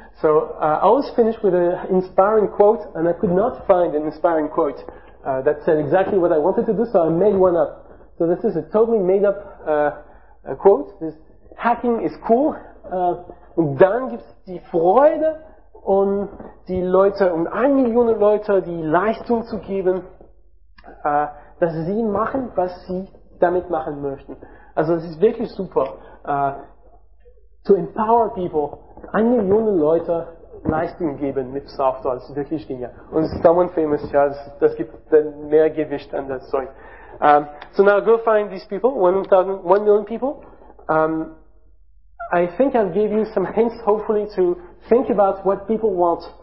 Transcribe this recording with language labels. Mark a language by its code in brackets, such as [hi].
[en] So I was finished with an inspiring quote and I could not find an inspiring quote that said exactly what I wanted to do, so I made one up. So this is a totally made up quote. This hacking is cool. [de] Und dann gibt es die Freude und die Leute und 1 Million Leute die Leistung zu geben, dass sie machen, was sie damit machen möchten. Also es ist wirklich super, [en] to empower people, [de] 1 Million Leute Leistung geben mit Software. Das ist wirklich genial. Und [en] someone famous, [de] ja, das gibt dann mehr Gewicht an das Zeug. [en] So now go find these people, 1 million people. I think I've gave you some hints, hopefully, to think about what people want.